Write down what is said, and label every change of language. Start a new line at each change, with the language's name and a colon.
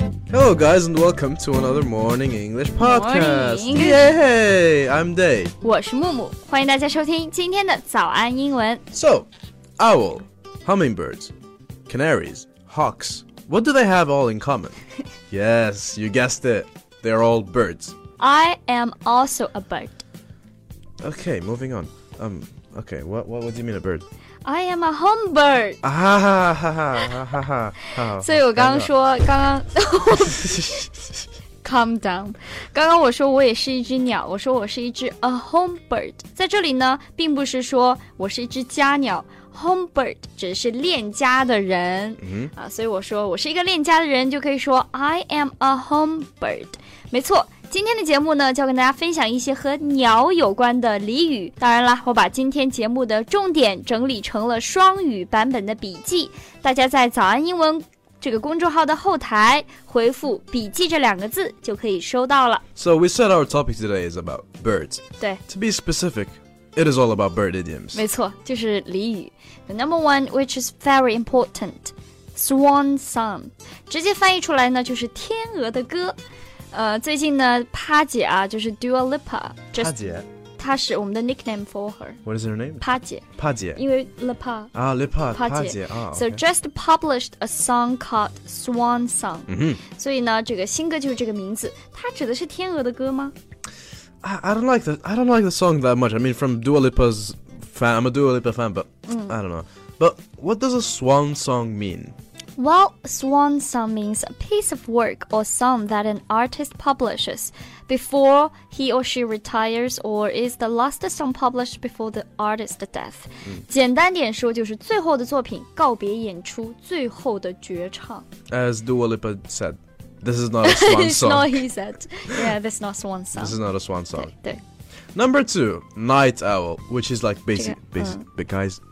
English: Hello, guys, and welcome to another Morning English Podcast. Morning. Yay! I'm Dave.
Chinese: 我是木木，欢迎大家收听今天的早安英文。
English: So, owl, hummingbirds, canaries, hawks, what do they have all in common? Yes, you guessed it. They're all birds. I am also a bird. Okay, moving on. Okay, what do you mean a bird? I am a home bird. 哈哈哈哈哈哈！
Chinese: 所以我刚刚说，刚刚
English: calm down。
Chinese: 刚刚我说我也是一只鸟，我说我是一只
English: a home bird。
Chinese: 在这里呢，并不是说我是一只家鸟 ，home bird 只是恋家的人。 Mm-hmm. 啊，所以我说我是一个恋家的人，就可以说
English: I am a home bird。
Chinese: 没错。今天的节目呢，就要跟大家分享一些和鸟有关的俚语。当然了，我把今天节目的重点整理成了双语版本的笔记。大家在早安英文这个公众号的后台回复笔记这两个字就可以收到了。
English: So we said our topic today is about birds.
Chinese: 对。
English: To be specific, it is all about bird idioms.
Chinese: 没错，就是俚语。
English: The number one, which is very important, swan song.
Chinese: 直接翻译出来呢，就是天鹅的歌。最近呢，帕姐啊，就是 Dua Lipa，帕姐，她是我们的
English: nickname for her。 What is her name？
Chinese: 帕姐，帕姐，因为 Lipa 啊 ，Lipa， 帕姐
English: 啊。姐 oh, okay. So just published a song called Swan Song。嗯哼。
Chinese: 所以呢，这个新歌就是这个名字。它指的是天鹅的歌吗
English: ？I don't like the song that much. I mean, from Dua Lipa's fan, I'm a Dua Lipa fan, but、I don't know. But what does a swan song mean？ Well, swan song means a piece of work or song that an artist publishes before he or she retires or is the last song published before the artist's death.、 Mm.
Chinese: 简单点说就是最后的作品告别演出最后的绝唱。
English: As Dua Lipa said, this is not a swan it's song. It's not he said. Yeah, this is not a swan song. This is not a swan song.
Chinese: 对。
English: Number two, night owl, which is like basic, but guys...